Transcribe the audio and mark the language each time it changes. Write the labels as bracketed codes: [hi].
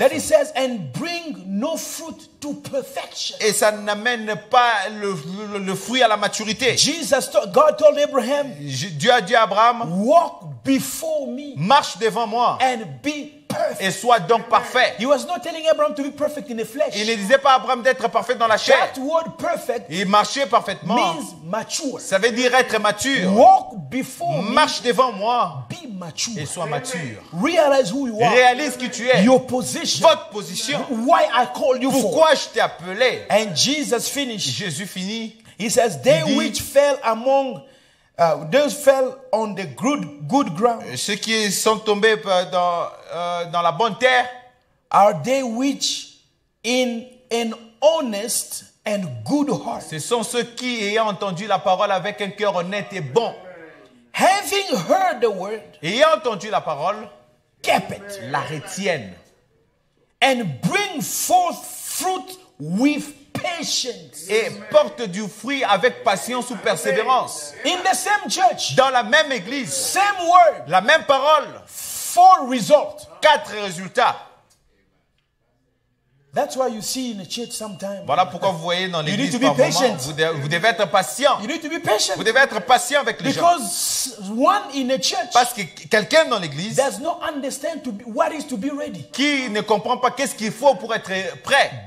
[en] That it says and bring no fruit to perfection. [fr] Et ça n'amène pas le fruit à la maturité. [en] Jesus God told Abraham. [fr] Dieu a dit à Abraham. [en] Walk before me. [fr] Marche devant moi. [en] And be [fr] et sois donc parfait. [en] He was not telling Abraham to be perfect in the flesh. [fr] Il ne disait pas à Abraham d'être parfait dans la chair. [en] That word perfect, [fr] il marchait parfaitement, [en] means mature. [fr] Ça veut dire être mature. [en] Walk before [fr] marche [en] me, [fr] devant moi. [en] Be mature. [fr] Et sois mature. [en] Realize who you are. [fr] Réalise qui tu es. [en] Your position. [fr] Votre position. [en] Why I called you. [fr] Pourquoi [en] for. [fr] Je t'ai appelé. [en] And Jesus finished. [fr] Jésus finit. [en] He says, they dit, which fell among those fell on the good ground. [fr] Ceux qui sont tombés dans la bonne terre, [en] are they which in an honest and good heart. [fr] Ce sont ceux qui ayant entendu la parole avec un cœur honnête et bon. [en] Having heard the word, [fr] ayant entendu la parole, [en] kept it, [fr] la retiennent, [en] and bring forth fruit with patience. [fr] Et porte du fruit avec patience ou persévérance. [en] In the same church, [fr] dans la même église, [en] same word, [fr] la même parole, [en] 4 results, [fr] 4 résultats. [en] That's why you see in a church sometimes. [fr] Voilà pourquoi vous voyez dans l'église [en] parfois. You need to be patient. [fr] Vous devez être patient. [en] You need to be patient. [fr] Vous devez être patient avec les [en] because [fr] gens. [en] Because one in a church. [fr] Parce que quelqu'un dans l'église. [en] Does not understand to be, what is to be ready. [fr] Qui ne comprend pas qu'est-ce qu'il faut pour être prêt.